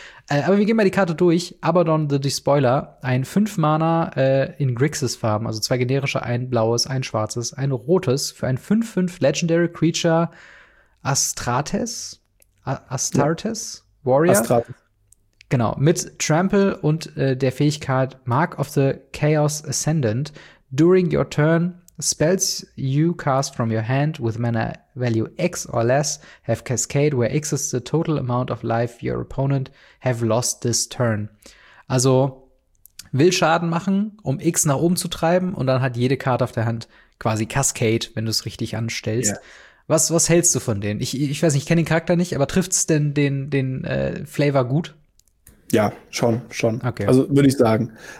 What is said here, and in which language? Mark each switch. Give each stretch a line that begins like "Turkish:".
German: Aber wir gehen mal die Karte durch. Abaddon the Despoiler, ein 5-Mana in Grixis-Farben, also 2 generische, ein blaues, ein schwarzes, ein rotes, für ein 5-5 Legendary Creature Astartes? Warrior? Astartes. Genau, mit Trample und der Fähigkeit Mark of the Chaos Ascendant.
English: During your turn, spells you cast from your hand with mana value X or less have cascade, where X is the total amount of life your opponent have lost this turn.
German: Also, will Schaden machen, um X nach oben zu treiben, und dann hat jede Karte auf der Hand quasi Cascade, wenn du es richtig anstellst.
English: Yeah.
German: Was hältst du von denen? Ich weiß nicht, ich kenne den Charakter nicht, aber trifft's denn den Flavor gut? Ja, schon. Okay. Also, würde ich sagen.